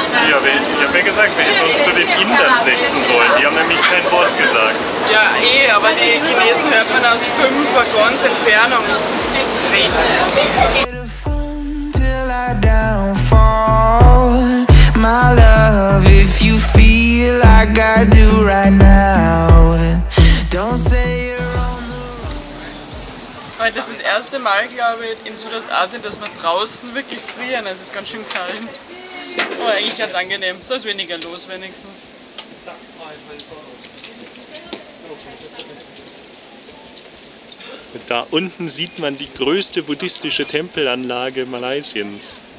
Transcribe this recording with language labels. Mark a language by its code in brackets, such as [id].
[de] Ja, ich habe ja gesagt, wir hätten uns zu den Indern setzen sollen. Die haben nämlich kein Wort gesagt. Ja, aber die Chinesen hört man aus 5 Waggons Entfernung reden. [en] My love, if you feel like I do right now, don't say you're on the road. [de] Heute ist das erste Mal, glaube ich, in Südostasien, dass wir draußen wirklich frieren. Es ist ganz schön kalt. Aber eigentlich ganz angenehm. So ist weniger los wenigstens. Da unten sieht man die größte buddhistische Tempelanlage Malaysiens.